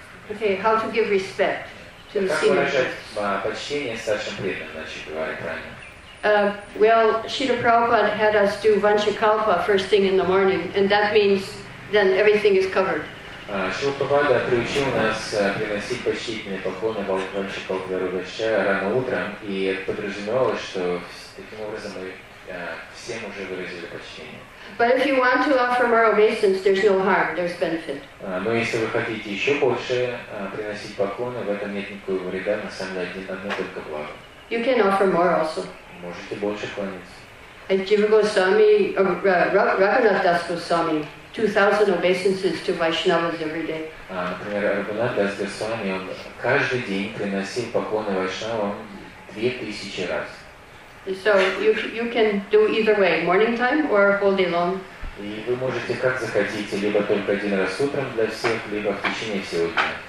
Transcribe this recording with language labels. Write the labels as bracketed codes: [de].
[en] Okay, how to give respect to the senior? Well, Srila Prabhupada had us do Vanchakalpa first thing in the morning, and that means then everything is covered. [ru] Srila Prabhupada приучил нас приносить почтительные поклоны Ванчакалпе Рудаше рано утром, и это подразумевало, что таким образом мы всем уже выразили почтение. [en] But if you want to offer more obeisance, there's no harm, there's benefit. [ru] Но если вы хотите еще больше приносить поклоны, в этом нет никакого вреда, на самом деле одно только благо. [en] You can offer more also. [ru] Можете больше кланяться. [en] And Jiva Goswami, Raghunath Das Goswami, 2,000 obeisances to Vaishnavas every day. [ru] Например, Raghunath Das Goswami, он каждый день приносил поклоны Вайшнавам 2,000 раз. [en] So you can do either way, morning time or all day long. [ru] И вы можете как захотите, либо только один раз утром для всех, либо в течение всего дня.